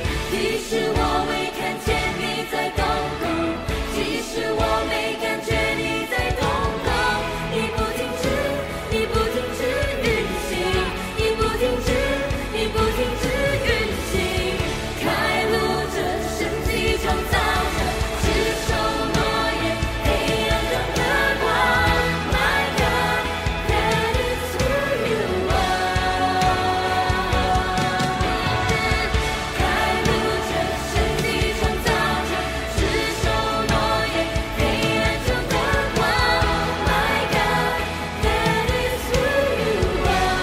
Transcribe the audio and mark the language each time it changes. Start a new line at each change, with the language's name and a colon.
Chinese: 即使我未看见你在动工，即使我没感觉你在动工，你不停止，你不停止运行，你不停止，你不停止运行。开路者，神迹创造者，执手诺言，黑暗中的光。
English: My God, that is who you are.
Chinese: 开路者，神迹创造者，执手诺言，黑暗中的光。
English: My God, that is who you are.